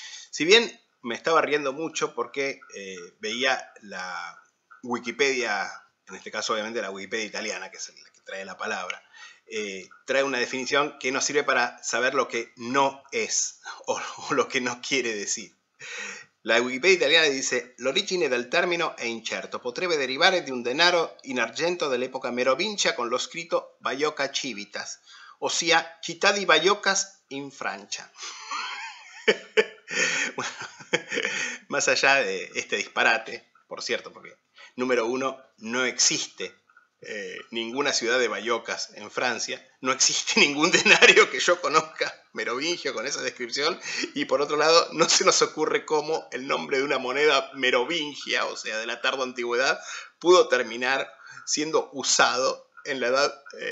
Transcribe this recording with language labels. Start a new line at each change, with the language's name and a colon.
Spanish: Si bien me estaba riendo mucho porque veía la Wikipedia, en este caso obviamente la Wikipedia italiana, que es la que trae la palabra, trae una definición que nos sirve para saber lo que no es o lo que no quiere decir.
Italian: La Wikipedia italiana dice: l'origine del termine è incerto, potrebbe derivare di un denaro in argento dell'epoca merovincia con lo scritto Baiocca Civitas,
Spanish: o sea,
Italian: città di Baioccas in Francia.
Spanish: Bueno, más allá de este disparate, por cierto, porque número uno, no existe ninguna ciudad de Baiocas en Francia, no existe ningún denario que yo conozca merovingio con esa descripción, y por otro lado, no se nos ocurre cómo el nombre de una moneda merovingia, o sea, de la tardo antigüedad, pudo terminar siendo usado en la edad,